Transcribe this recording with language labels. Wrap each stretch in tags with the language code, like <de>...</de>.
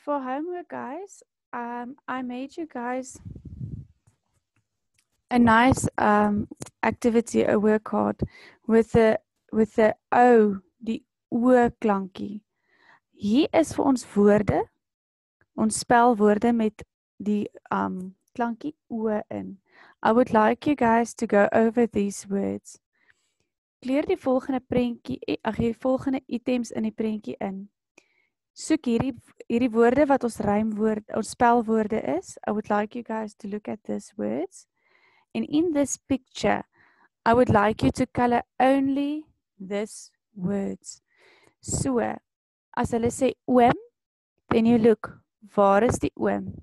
<en>For homework, guys, I made you guys a nice activity, a work card with the O,</en> <af>die O klankie. Hier is vir ons woorde, ons spel woorde met die klankie O in.</af> <en>I would like you guys to go over these words.</en> <af>Kleur die volgende prentjie, die volgende items in die prentjie in. Soek hierdie woorde wat ons rymwoord, ons spelwoorde is.</af> <en>I would like you guys to look at these words. And in this picture, I would like you to color only this words.</en> <af>So, as hulle sê oom,</af> <en>then you look,</en> <af>waar is die oom?</af>